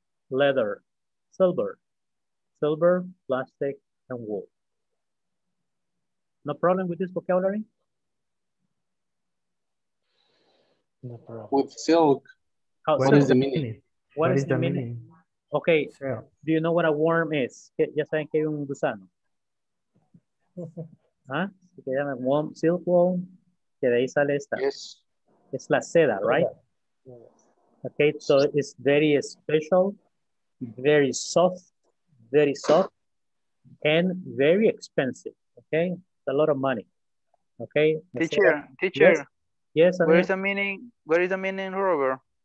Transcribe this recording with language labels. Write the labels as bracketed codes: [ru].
[en] Leather, silver, silver, plastic, and wool. No problem with this vocabulary? No problem. With silk. What is the meaning? Okay, do you know what a worm is? [es] Ya saben que hay un gusano. Se llama [en] worm, silk worm, [es] que de ahí sale esta. [en] Yes. [es] Es la seda, [en] right? Yeah. Okay, so it's very special, very soft, and very expensive, okay? A lot of money, okay. Teacher. Yes. Where is the meaning? Where is the meaning? Rubber.